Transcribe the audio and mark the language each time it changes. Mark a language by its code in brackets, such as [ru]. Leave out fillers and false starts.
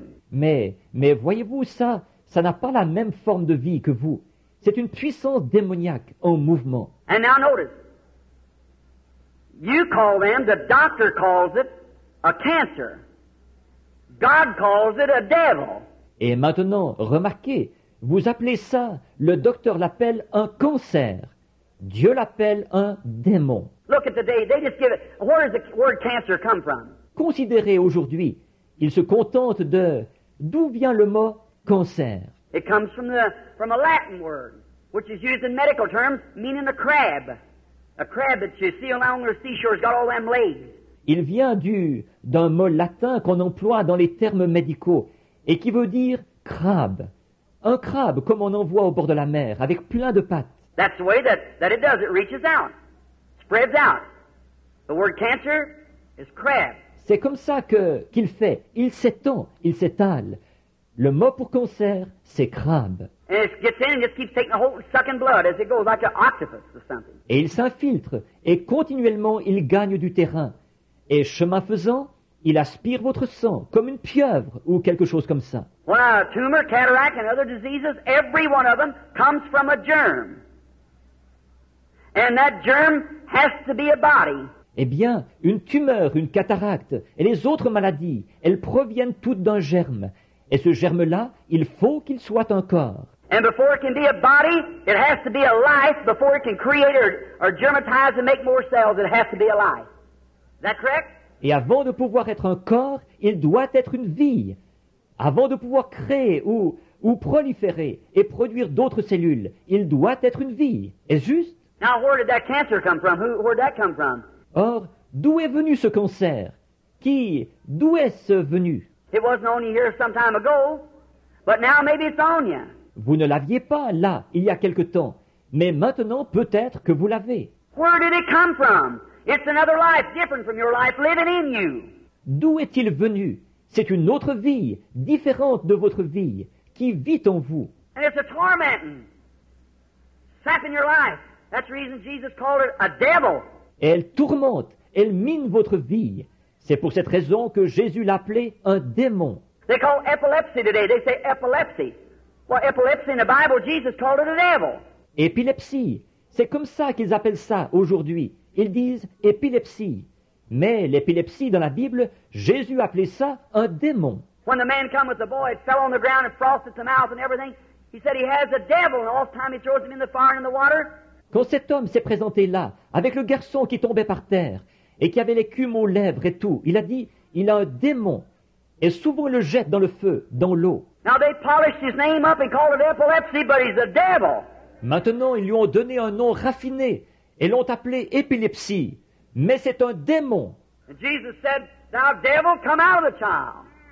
[fr] Mais voyez-vous, ça n'a pas la même forme de vie que vous. C'est une puissance démoniaque en mouvement. [en] And now notice, you call them, the doctor calls it a cancer. God calls it a devil. [fr] Et maintenant, remarquez, vous appelez ça, le docteur l'appelle un cancer. Dieu l'appelle un démon. [en] Look at today. They just give it. Where does the word cancer come from? [fr] Considérez aujourd'hui. Ils se contentent de. D'où vient le mot cancer? [en] It comes from a Latin word, which is used in medical terms, meaning a crab. A crab that you see along the seashore's got all them legs. [fr] Il vient d'un mot latin qu'on emploie dans les termes médicaux et qui veut dire crabe. Un crabe comme on en voit au bord de la mer avec plein de pattes. [en] That's the way that it does. It reaches out, spreads out. The word cancer is crab. [fr] C'est comme ça qu'il fait. Il s'étend, il s'étale. Le mot pour cancer, c'est crabe. [en] And it gets in and just keeps taking a whole sucking blood as it goes like an octopus or something. [fr] Et il s'infiltre et continuellement il gagne du terrain. Et chemin faisant, il aspire votre sang comme une pieuvre ou quelque chose comme ça. [en] Well, tumor, cataract, and other diseases, every one of them comes from a germ. And that germ has to be a body. [fr] Eh bien, une tumeur, une cataracte et les autres maladies, elles proviennent toutes d'un germe. Et ce germe-là, il faut qu'il soit un corps. [en] And before it can be a body, it has to be a life. Before it can create or germatize and make more cells, it has to be a life. Is that correct? [fr] Et avant de pouvoir être un corps, il doit être une vie. Avant de pouvoir créer ou proliférer et produire d'autres cellules, il doit être une vie. Est-ce juste? [en] Now, where did that cancer come from? Where did that come from? [fr] Or, d'où est venu ce cancer? D'où est-ce venu? [en] It wasn't only here some time ago, but now maybe it's on you. [fr] Vous ne l'aviez pas là, il y a quelque temps, mais maintenant peut-être que vous l'avez. [en] Where did it come from? It's another life, different from your life, living in you. [fr] D'où est-il venu? C'est une autre vie, différente de votre vie, qui vit en vous. [en] And it's a tormenting, sapping your life. That's the reason Jesus called it a devil. [fr] Et elle tourmente, elle mine votre vie. C'est pour cette raison que Jésus l'appelait un démon. [en] They call epilepsy today. They say epilepsy. Well, epilepsy in the Bible, Jesus called it a devil. [fr] Épilepsie, c'est comme ça qu'ils appellent ça aujourd'hui. Ils disent épilepsie. Mais l'épilepsie dans la Bible, Jésus appelait ça un démon. [en] When the man came with the boy, it fell on the ground and frosted the mouth and everything. He said he has a devil and all the time he throws him in the fire and in the water. [fr] Quand cet homme s'est présenté là, avec le garçon qui tombait par terre et qui avait l'écume aux lèvres et tout, il a dit, il a un démon. Et souvent le jette dans le feu, dans l'eau. [en] Now they polished his name up and called it epilepsy, but he's a devil. [fr] Maintenant, ils lui ont donné un nom raffiné et l'ont appelé épilepsie. Mais c'est un démon. [en] And Jesus said, thou devil, come out of the child.